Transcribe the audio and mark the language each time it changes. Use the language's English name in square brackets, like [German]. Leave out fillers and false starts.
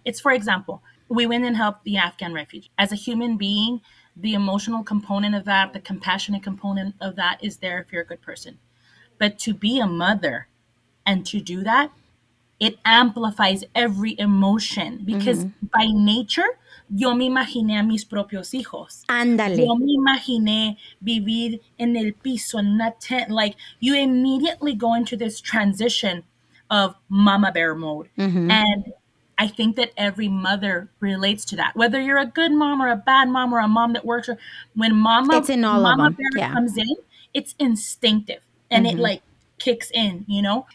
[English] It's, for example, we went and helped the Afghan refugee. As a human being, the emotional component of that, the compassionate component of that is there if you're a good person. But to be a mother and to do that, it amplifies every emotion because mm-hmm. by nature, [Spanish] yo me imaginé a mis propios hijos. Ándale. Yo me imaginé vivir en el piso, en una tent. [English] Like, you immediately go into this transition of mama bear mode. Mm-hmm. And I think that every mother relates to that. Whether you're a good mom or a bad mom or a mom that works, or when mama bear comes in, it's instinctive and mm-hmm. it like kicks in, you know?